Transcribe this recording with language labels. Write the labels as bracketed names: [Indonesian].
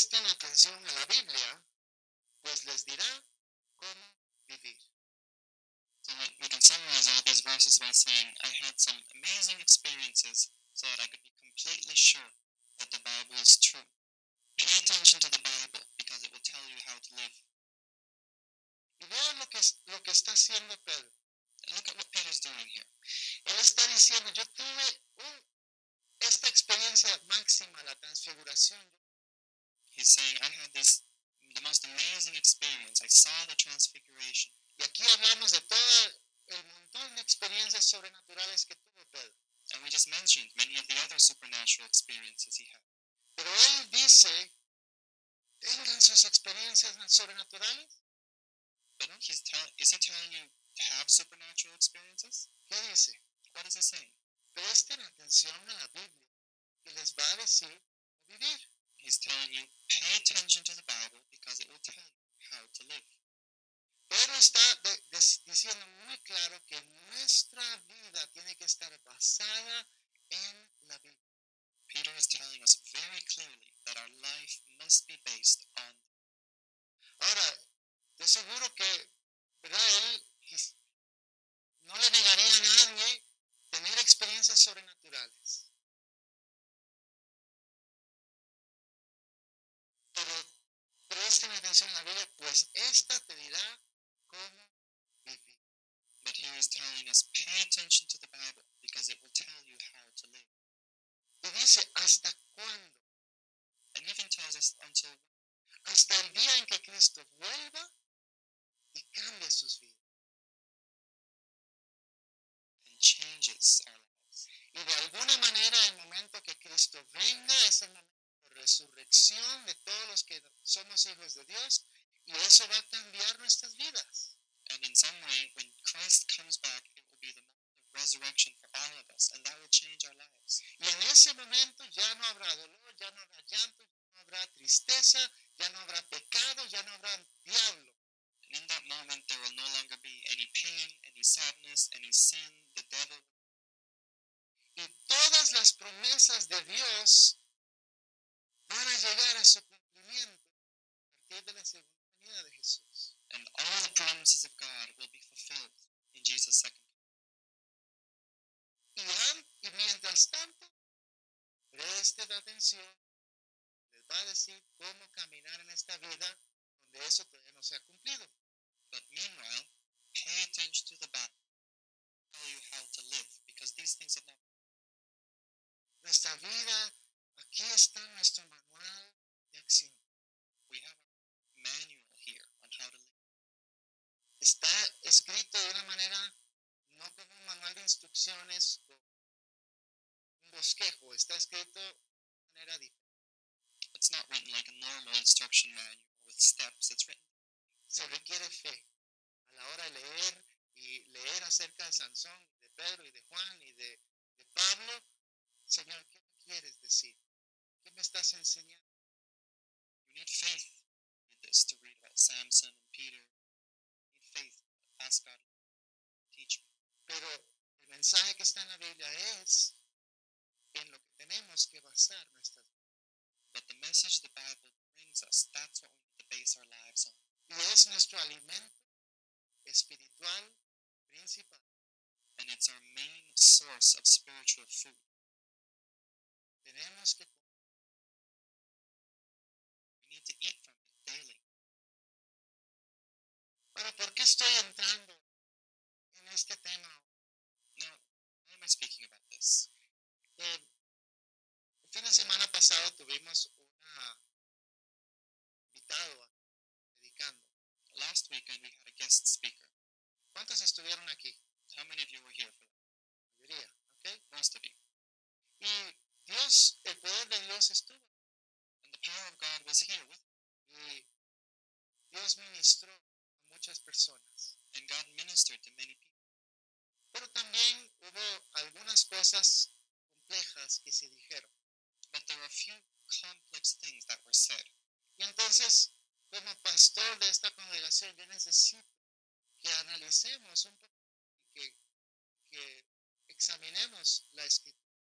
[Spanish] atención a la Biblia, pues les dirá cómo vivir. [English] So we can summarize all these verses by saying, I had some amazing experiences so that I could be completely sure that the Bible is true. Pay attention to the Bible because it will tell you how to live. [Spanish] Y vean lo que está haciendo Pedro. [English] Look at what Peter's doing here. [Spanish] Él está diciendo, yo tuve esta experiencia máxima, la transfiguración. [English] He's saying, I had this the most amazing experience. I saw the transfiguration. [Spanish] Y aquí hablamos de todo el montón de experiencias sobrenaturales que tuvo Pedro. [English] And we just mentioned many of the other supernatural experiences he had. [Spanish] Pero él dice, tengan sus experiencias sobrenaturales. [English] But is he telling you to have supernatural experiences? [Spanish] ¿Qué dice? [English] What is he saying? [Spanish] Presten atención a la Biblia y les va a decir cómo vivir. [English] He's telling you, pay attention to the Bible because it will tell you how to live. [Spanish] Pero está diciendo muy claro que nuestra vida tiene que estar basada en la Biblia. [English] Peter is telling us very clearly that our life must be based on. [Spanish] Ahora, de seguro que, ¿verdad? Él no le negaría a nadie tener experiencias sobrenaturales. Pero presten atención a la Biblia, pues esta te dirá cómo vivir. [English] But he is telling us, pay attention to the Bible, because it will tell you how to live. [Spanish] Y dice, ¿hasta cuándo? [English] And even tells us until when. [Spanish] Hasta el día en que Cristo vuelva y cambie sus vidas. [English] And changes our lives. [Spanish] Y de alguna manera, el momento que Cristo venga es el momento resurrección de todos los que somos hijos de Dios y eso va a cambiar nuestras vidas. [English] And in some way, when Christ comes back, it will be the moment of resurrection for all of us, and that will change our lives. [Spanish] Y en ese momento ya no habrá dolor, ya no habrá llanto, ya no habrá tristeza, ya no habrá pecado, ya no habrá diablo. [English] And in that moment, there will no longer be any pain, any sadness, any sin, the devil. [Spanish] Y todas las promesas de Dios van a llegar a su cumplimiento a partir de la segunda venida de Jesús. [English] And all the promises of God will be fulfilled in Jesus' second coming. [Spanish] Y mientras tanto, presten atención, les va a decir cómo caminar en esta vida donde eso todavía no se ha cumplido. [English] But meanwhile, pay attention to the Bible to tell you how to live, because these things are not. [Spanish] Nuestra vida, aquí está nuestro manual de acción. [English] We have a manual here on how to live. [Spanish] Está escrito de una manera, no como un manual de instrucciones, como un bosquejo. Está escrito de una manera diferente. [English] It's not written like a normal instruction manual with steps. It's written. [Spanish] Se requiere fe a la hora de leer y leer acerca de Sansón, de Pedro y de Juan y de Pablo. Señor, ¿qué quieres decir? ¿Qué me estás enseñando? [English] You need faith in this to read about Samson and Peter. You need faith. Ask God to teach me. [Spanish] Pero el mensaje que está en la Biblia es en lo que tenemos que basar nuestra vida. [English] But the message the Bible brings us, that's what we need to base our lives on. [Spanish] Y es nuestro alimento espiritual principal. [English] And it's our main source of spiritual food. [Spanish] Tenemos que. [English] We need to eat from it daily. [Spanish] Pero ¿por qué estoy entrando en este tema? [English] No, why am I speaking about this? [Spanish] El fin de semana pasado tuvimos una invitada predicando. [English] Last weekend we had a guest speaker. [Spanish] ¿Cuántos estuvieron aquí? [English] How many of you were here for that? [Spanish] La mayoría, okay? [English] Most of you. [Spanish] Y Dios, el poder de Dios estuvo. [English] And the power of God was here with [Spanish] me. Y Dios ministró a muchas personas. [English] And God ministered to many people. [Spanish] Pero también hubo algunas cosas complejas que se dijeron. [English] But there were a few complex things that were said. [Spanish] Y entonces, como pastor de esta congregación, yo necesito que analicemos un poco y que examinemos la escritura.